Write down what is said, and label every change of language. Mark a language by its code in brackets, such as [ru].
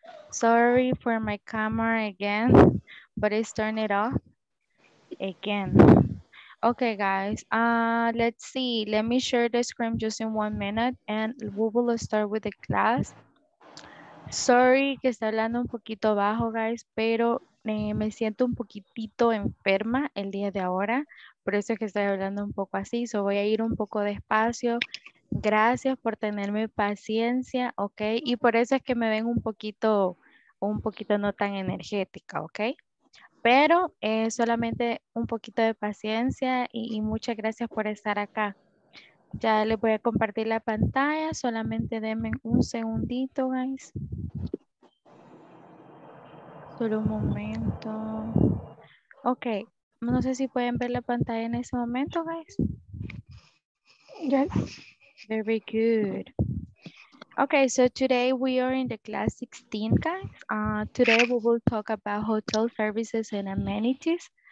[en] Sorry for my camera again, but it's turned it off again. Okay, guys. Let's see. Let me share the screen just in 1 minute and we will start with the class. [es] Sorry que está hablando un poquito bajo, guys, pero me siento un poquitito enferma el día de ahora. Por eso es que estoy hablando un poco así. So voy a ir un poco despacio. Gracias por tenerme paciencia, ¿ok? Y por eso es que me ven un poquito no tan energética, ¿ok? Pero solamente un poquito de paciencia y muchas gracias por estar acá. Ya les voy a compartir la pantalla. Solamente denme un segundito, guys. Solo un momento. Ok. No sé si pueden ver la pantalla en ese momento, guys. [en] Yes. Very good. Okay, so today we are in the class 16, guys. Today we will talk about hotel services and amenities.